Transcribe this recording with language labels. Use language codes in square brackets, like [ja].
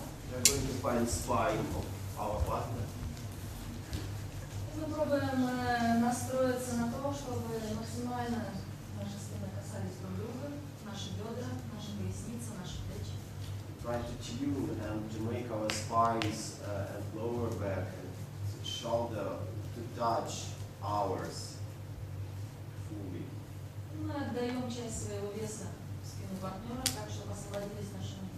[en] We're going to find spine of our partner. [ru] Мы пробуем настроиться на то, чтобы максимально наши спины касались друг друга, наши бедра, наши поясницы, наши плечи. [en] Try to tune and to make our spines and lower back and shoulder to touch ours fully. [ru] Мы отдаем часть своего веса в спину партнера, так чтобы освободились наши.